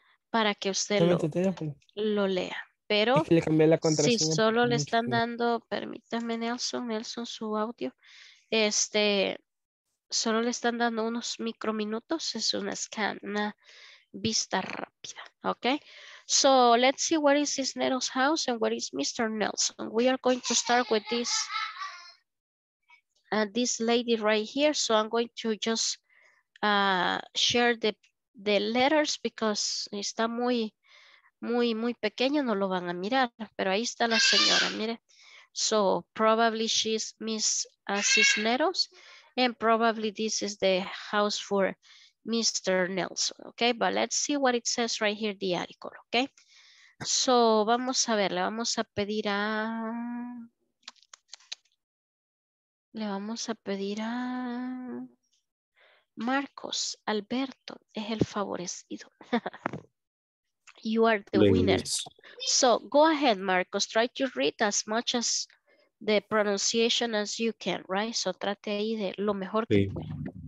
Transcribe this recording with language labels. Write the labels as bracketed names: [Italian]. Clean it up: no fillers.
[Spanish] Para que usted lo lea. Pero es que le cambié la contraseña. Si solo le están dando, permítame Nelson, su audio, solo le están dando unos microminutos, es una scan, una vista rápida, ¿ok? [English] So, let's see where is Cisneros' house and where is Mr. Nelson. We are going to start with this, this lady right here. So, I'm going to just share the letters because [Spanish] está muy muy muy pequeño, no lo van a mirar, pero ahí está la señora, mire. [English] So probably she's Miss Cisneros and probably this is the house for Mr. Nelson, okay? But let's see what it says right here, the article, okay? [Spanish] So, vamos a ver, le vamos a pedir a Marcos, Alberto, es el favorecido. [English] You are the winner. So, go ahead, Marcos, try to read as much as the pronunciation as you can, right? [Spanish] So, trate ahí de lo mejor que pueda.